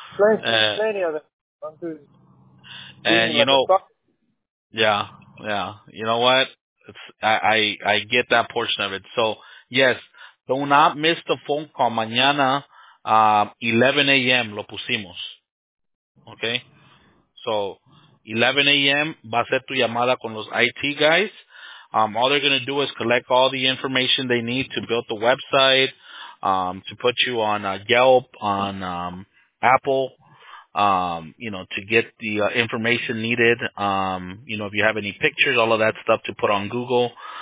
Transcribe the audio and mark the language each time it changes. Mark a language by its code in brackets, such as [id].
[en] Plenty of them. And you know, yeah. You know what? I get that portion of it. So yes, do not miss the phone call mañana, 11 a.m. [es] Lo pusimos, okay? [en] So 11 a.m. [es] va a ser tu llamada con los IT guys. [en] All they're gonna do is collect all the information they need to build the website, to put you on Yelp, on Apple. You know, to get the information needed, you know, if you have any pictures, all of that stuff to put on Google.